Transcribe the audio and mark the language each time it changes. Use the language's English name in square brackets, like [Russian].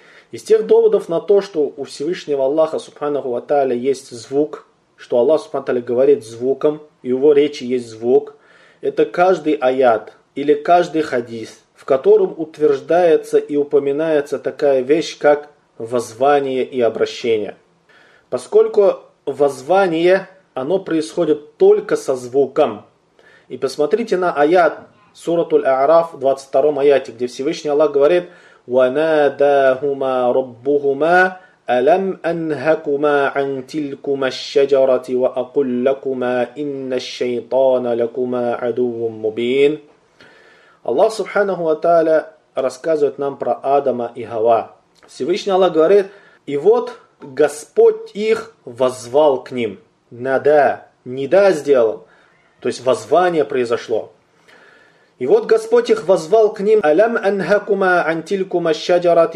[Russian] Из тех доводов на то, что у Всевышнего Аллаха, субханаху ва тааля, есть звук, что Аллах субхану ва тааля говорит звуком, и его речи есть звук, это каждый аят или каждый хадис, в котором утверждается и упоминается такая вещь, как воззвание и обращение. Поскольку воззвание, оно происходит только со звуком. И посмотрите на аят Суратуль-А'раф, 22-м аяте, где Всевышний Аллах говорит [Arabic] «Ванадахума Раббухума ألم أنهكما عن تلكما الشجرة وأقل لكما إن الشيطان لكما عدو مبين. [Russian] Аллах Субханаху ва Тааля рассказывает нам про Адама и Хава. Всевышний Аллах говорит: «И вот Господь их воззвал к ним». Нада, нида сделал. То есть воззвание произошло. «И вот Господь их воззвал к ним». [Arabic] «Алям анхакума антилькума шаджарат».